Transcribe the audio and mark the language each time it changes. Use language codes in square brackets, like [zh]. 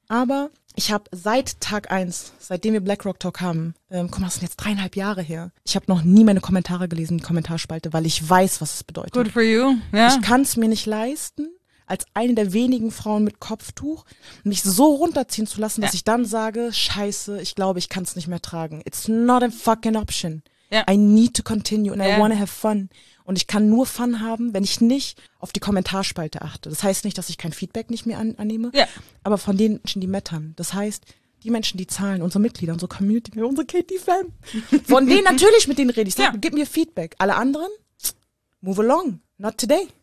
[de] Aber ich habe seit Tag 1, seitdem wir BlackRock Talk haben, das sind jetzt 3,5 Jahre her, ich habe noch nie meine Kommentare gelesen, die Kommentarspalte, weil ich weiß, was es bedeutet. [en] Good for you. [de] Ich kann es mir nicht leisten, als eine der wenigen Frauen mit Kopftuch mich so runterziehen zu lassen, dass ich dann sage, scheiße, ich glaube, ich kann es nicht mehr tragen. [en] It's not a fucking option. Yeah. I need to continue and I wanna have fun. [de] Und ich kann nur Fun haben, wenn ich nicht auf die Kommentarspalte achte. Das heißt nicht, dass ich kein Feedback nicht mehr annehme, aber von den Menschen, die mattern. Das heißt, die Menschen, die zahlen, unsere Mitglieder, unsere Community, unsere Katie-Fan. Von denen natürlich, mit denen rede ich. Sag, gib mir Feedback. Alle anderen, [en] move along. Not today.